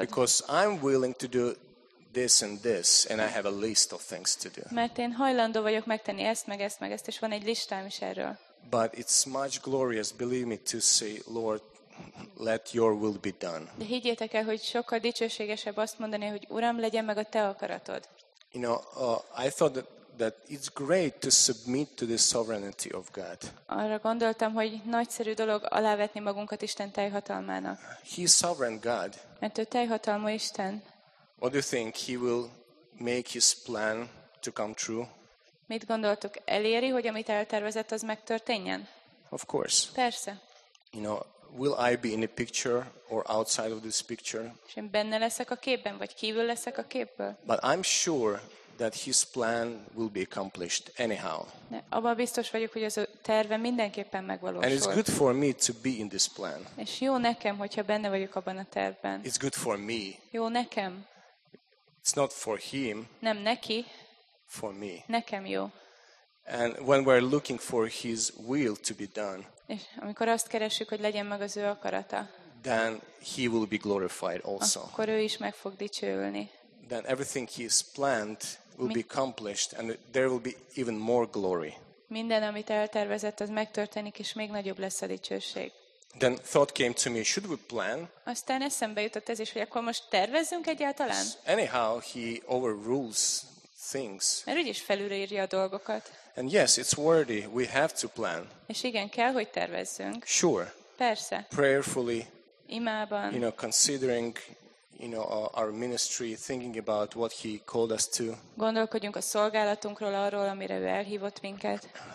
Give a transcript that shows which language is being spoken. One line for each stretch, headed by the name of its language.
English: Because I'm willing to do this and this, and I have a list of things to do.
Hungarian: Mert én hajlandó vagyok megtenni ezt, meg ezt, meg ezt, és van egy listám is erről.
English: But it's much glorious, believe me, to say, Lord, let your will be done.
Hungarian: De higgyétek el, hogy sokkal dicsőségesebb azt mondani, hogy Uram, legyen meg a te akaratod.
English: You know, I thought that it's great to submit to the sovereignty of God.
Hungarian: Arra gondoltam, hogy nagyszerű dolog alávetni magunkat Isten teljhatalmának.
English: He is sovereign God.
Hungarian: Mert ő teljhatalmú Isten.
English: What do you think? He will make his plan to come true.
Hungarian: Mit gondoltok? Eléri, hogy amit eltervezett, az megtörténjen?
English: Of course.
Hungarian: Persze.
English: You know, will I be in a picture or outside of this picture?
Hungarian: És én benne leszek a képben, vagy kívül leszek a képből?
English: But I'm sure that his plan will be accomplished anyhow.
Hungarian: De abban biztos vagyok, hogy az a terve mindenképpen megvalósul.
English: And it's good for me to be in this plan.
Hungarian: És jó nekem, hogyha benne vagyok abban a tervben.
English: It's good for me.
Hungarian: Jó nekem.
English: It's not for him.
Hungarian: Nem neki.
English: For me.
Hungarian: Nekem jó.
English: And when we're looking for his will to be done.
Hungarian: És amikor azt keressük, hogy legyen meg az ő akarata.
English: Then he will be glorified also.
Hungarian: Akkor ő is meg fog dicsőülni.
English: Then everything he has planned will be accomplished and there will be even more glory.
Hungarian: Minden, amit eltervezett, az megtörténik, és még nagyobb lesz a dicsőség.
English: Then thought came to me, should we plan?
Hungarian: Aztán eszembe jutott ez is, hogy akkor most tervezzünk egyáltalán?
English: Anyhow, he overrules things.
Hungarian: Mert úgyis felülírja a dolgokat.
English: And yes, it's worthy. We have to plan.
Hungarian: És igen, kell, hogy tervezzünk.
English: Sure.
Hungarian: Persze.
English: Prayerfully.
Hungarian: Imában.
English: You know, considering, you know, our ministry, thinking about what he called us to.
Hungarian: Gondolkodjunk a szolgálatunkról, arról, amire ő elhívott minket.